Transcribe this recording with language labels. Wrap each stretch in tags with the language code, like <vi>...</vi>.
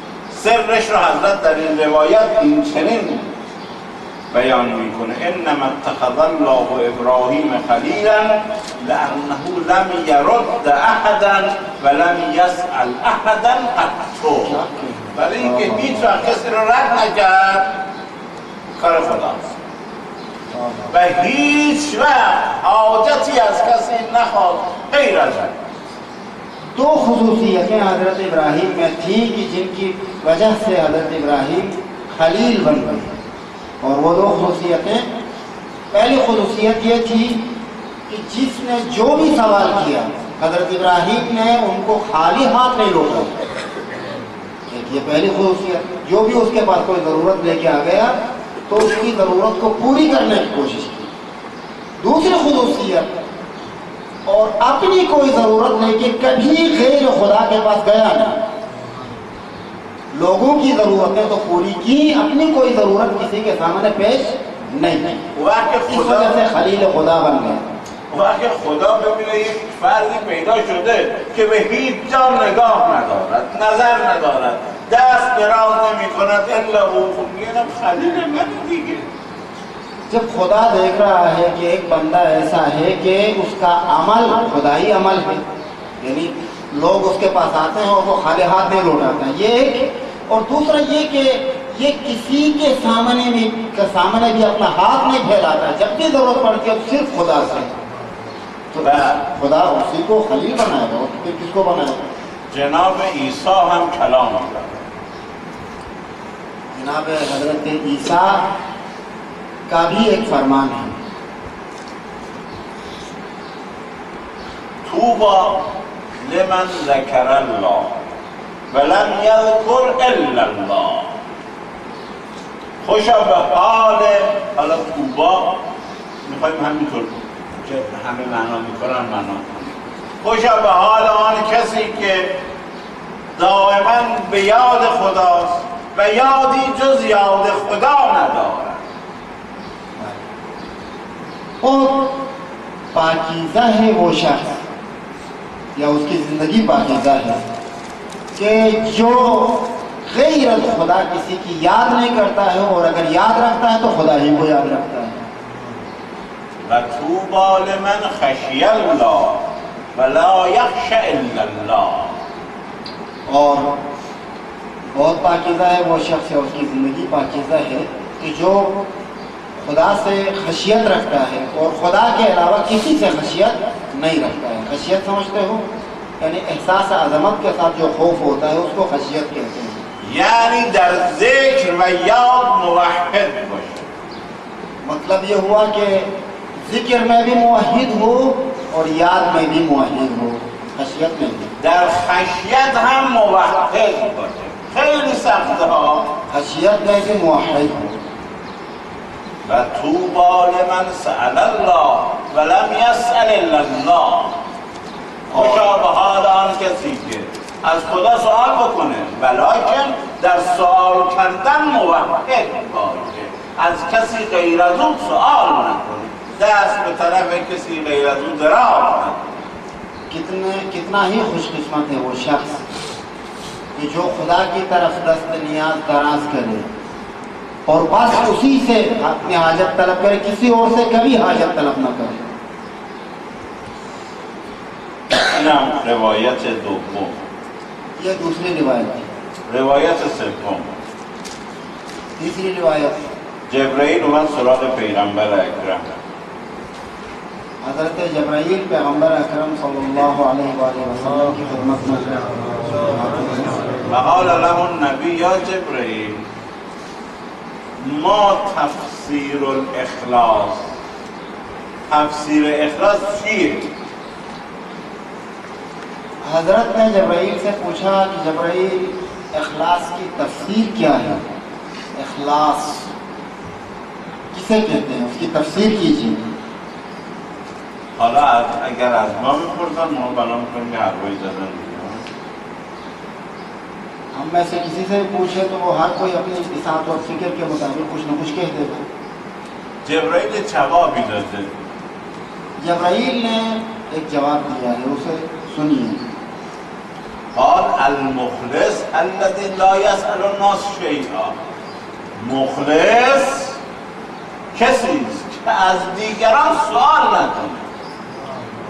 <fa>سرش رو حضرت در این روایت این چنین بیان میکنه:</fa> <ar>انما اتخذ الله ابراهیم خلیلا لانه لم يرد احدا ولم يسأل احدا قط.</ar> <fa>ولی اینکه هیچ وقت کسی رو رد نکرد کار خداست و هیچ وقت حاجتی از کسی نخواد غیر از من.</fa> <ur>دو خصوصیتیں حضرت ابراہیم میں تھیں کہ جن کی وجہ سے حضرت ابراہیم خلیل بن گئے، اور وہ دو خصوصیتیں، پہلی خصوصیت یہ تھی کہ جس نے جو بھی سوال کیا حضرت ابراہیم نے ان کو خالی ہاتھ نہیں روکا. یہ پہلی خصوصیت، جو بھی اس کے پاس کوئی ضرورت لے کے آ گیا تو اس کی ضرورت کو پوری کرنے کی کوشش کی. دوسری خصوصیت، اور اپنی کوئی ضرورت نہیں کہ کبھی غیر خدا کے پاس گیا نہیں، لوگوں کی ضرورتیں تو پوری کی، اپنی کوئی ضرورت کسی کے سامنے پیش نہیں وہ آ کے خدا اس وجہ سے خلیل خدا بن گیا وہ آ کے خدا میں ایک فرضی پیدا</ur> <fa>شده کہ به هیچ جا نگاه ندارد نظر ندارد دست دراز نمی کند الا هو خلیل خلیل من دیگه</fa> <ur>جب خدا دیکھ رہا ہے کہ ایک بندہ ایسا ہے کہ اس کا عمل خدا ہی عمل ہے یعنی لوگ اس کے پاس آتے ہیں اور وہ خالی ہاتھ نہیں لوٹاتے ہیں یہ ایک اور دوسرا یہ کہ یہ کسی کے سامنے بھی اپنا ہاتھ نہیں پھیلاتا جب بھی ضرورت پڑتی ہے صرف خدا سے تو خدا اسی کو خلیل بنائے گا پھر کس کو بنائے گا جناب عیسیٰ ہم کلام جناب حضرت عیسیٰ کا بھی ایک فرمان ہے</ur> <ar>طوبی لمن ذکر اللہ ولم یذکر الا اللہ</ar> <fa>خوشا به حال حالا طوبی میخواییم همینطور که همه معنا میکنن معنا خوشا به حال آن کسی که دائما به یاد خداست و یادی جز یاد خدا ندارد</fa> <ur>اور پاکیزہ ہے وہ شخص یا اس کی زندگی پاکیزہ ہے کہ جو غیر خدا کسی کی یاد نہیں کرتا ہے اور اگر یاد رکھتا ہے تو خدا ہی کو یاد رکھتا ہے</ur> <ar>وَتُوبَى لِمَنْ خَشِيَ اللَّهِ وَلَا يَخْشَ إِلَّا اللَّهِ</ar> <ur>اور بہت پاکیزہ ہے وہ شخص یا اس کی زندگی پاکیزہ ہے کہ جو خدا سے خشیت رکھتا ہے اور خدا کے علاوہ کسی سے خشیت نہیں رکھتا ہے خشیت سمجھتے ہو یعنی احساس عظمت کے ساتھ جو خوف ہوتا ہے اس کو خشیت کہتے ہیں</ur> <fa>یعنی در ذکر و یاد موحد باشد</fa> <ur>مطلب یہ ہوا کہ ذکر میں بھی موحد ہو اور یاد میں بھی موحد ہو خشیت میں بھی</ur> <fa>در خشیت ہم موحد باشد خیلی سخت ہو</fa> <ur>خشیت میں بھی موحد ہو</ur> <ar>و طوبی لمن سأل الله ولم يسأل إلا الله</ar> <fa>خوشا به حال آن کسی که از خدا سؤال بکنه ولیکن در سؤال کردن موحد باشه از کسی غیر از او سؤال نکنه دست به طرف کسی غیر از او دراز نکنه</fa> <ur>کتنا ہی خوش قسمت ہے وہ شخص کہ جو خدا کی طرف دست نیاز دراز کرے اور بس اسی سے اپنی حاجت طلب کرے کسی اور سے کبھی حاجت طلب نہ کرے</ur> <fa>اینم روایت دوم</fa> <ur>یہ دوسری روایت تھی</ur> <fa>روایت سوم</fa> <ur>تیسری روایت</ur> <fa>جبرائیل اومد سراغ پیغمبر اکرم</fa> <ur>حضرت جبرائیل پیغمبر اکرم صلی اللہ علیہ وآلہ وسلم کی خدمت میں</ur> <ar>وقال لهم نبی یا جبرائیل ما تفسیر الاخلاص</ar> <fa>تفسیر اخلاص چیه؟</fa> <ur>حضرت نے جبرائیل سے پوچھا کہ جبرائیل اخلاص کی تفسیر کیا ہے اخلاص کسے کہتے ہیں اس کی تفسیر کیجیے</ur> <fa>حالا اگر از ما بپرسن ما بنام کنیم که حرفای زدن</fa> <ur>ہم میں سے کسی سے پوچھے تو وہ ہر کوئی اپنے احساس اور فکر کے مطابق کچھ نہ کچھ کہہ دے گا جبرائیل نے جواب دیا جبرائیل نے ایک جواب دیا ہے اسے سنیے</ur> <ar>قال المخلص الذي لا يسأل الناس شيئا</ar> <fa>مخلص کسی است که از دیگران سوال نکنه</fa>